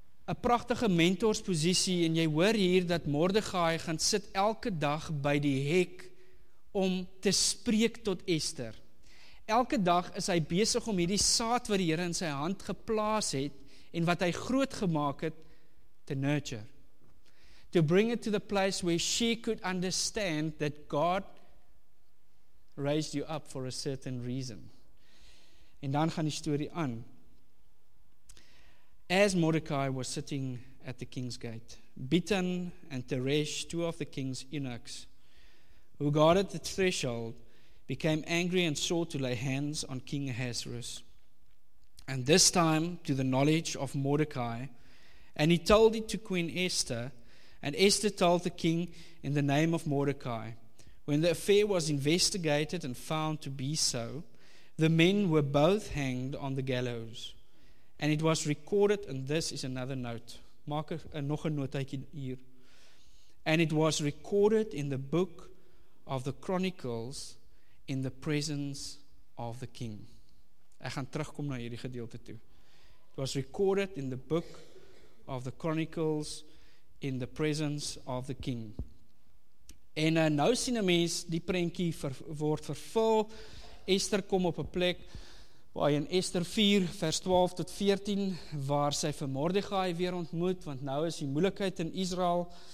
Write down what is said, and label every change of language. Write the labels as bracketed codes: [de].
[af] 'n Pragtige mentorsposisie, en jy hoor hier dat Mordecai gaan sit elke dag by die hek om te spreek tot Esther. Elke dag is hy besig om hierdie saad wat die Here in sy hand geplaas het en wat hy groot gemaak het, te nurture. [en] To bring it to the place where she could understand that God raised you up for a certain reason. [af] En dan gaan die story aan. [en] As Mordecai was sitting at the king's gate, Bitan and Teresh, two of the king's eunuchs, who guarded the threshold, became angry and sought to lay hands on King Ahasuerus. And this time to the knowledge of Mordecai, and he told it to Queen Esther, and Esther told the king in the name of Mordecai. When the affair was investigated and found to be so, the men were both hanged on the gallows. And it was recorded, and this is another note. [af] Maak nog 'n notaatjie hier. [en] And it was recorded in the book of the Chronicles in the presence of the king. [af] Ek gaan terugkom na hierdie gedeelte toe. [en] It was recorded in the book of the Chronicles in the presence of the king. [af] En nou sien 'n mens die prentjie word vervul. Esther kom op 'n plek waar in Esther 4 vers 12 tot 14 waar sy vir Mordecai weer ontmoet, want nou is die moeilikheid in Israel.